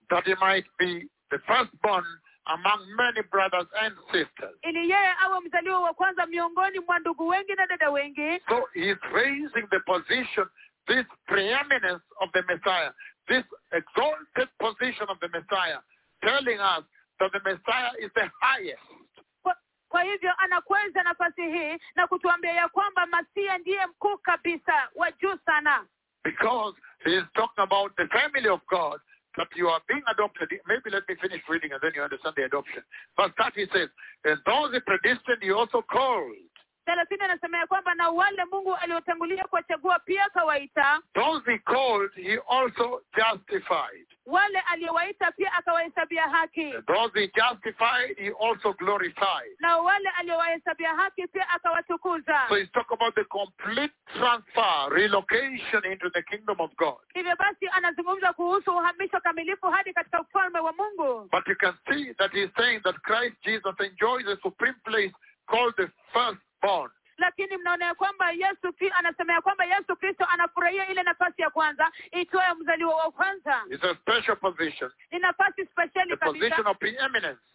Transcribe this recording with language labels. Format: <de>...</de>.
<en>That he might be the firstborn among many brothers and sisters.</en> <sw>Ili yeye awe mzaliwa wa kwanza miongoni mwa ndugu wengi na dada wengi.</sw> <en>So he's raising the position, this preeminence of the Messiah, this exalted position of the Messiah, telling us that the Messiah is the highest.</en> <sw>Kwa hivyo anakwenza nafasi hii na kutuambia ya kwamba Masia ndiye mkuu kabisa wa juu sana.</sw> <en>Because he is talking about the family of God, that you are being adopted. Maybe let me finish reading and then you understand the adoption. Verse 30 says, and those predestined he also called.</en> <sw>30 anasema ya kwamba na wale Mungu aliotangulia kuwachagua pia akawaita.</sw> <en>Those he called he also justified.</en> <sw>Wale aliyewaita pia akawahesabia haki.</sw> <en>Those he justified, he also glorified.</en> <sw>Na wale aliyewahesabia haki pia akawatukuza.</sw> <en>So he's talking about the complete transfer, relocation into the kingdom of God.</en> <sw>Hivyo basi anazungumza kuhusu uhamisho kamilifu hadi katika ufalme wa Mungu.</sw> <en>But you can see that he's saying that Christ Jesus enjoys a supreme place called the firstborn.</en> <sw>Lakini mnaona ya kwamba Yesu pia anasema ya kwamba Yesu Kristo anafurahia ile nafasi ya kwanza itwayo mzaliwa wa kwanza.</sw> <en>It's a special position.</en> <sw>Ni nafasi speciali</sw> <en>kabisa. The position of preeminence.</en>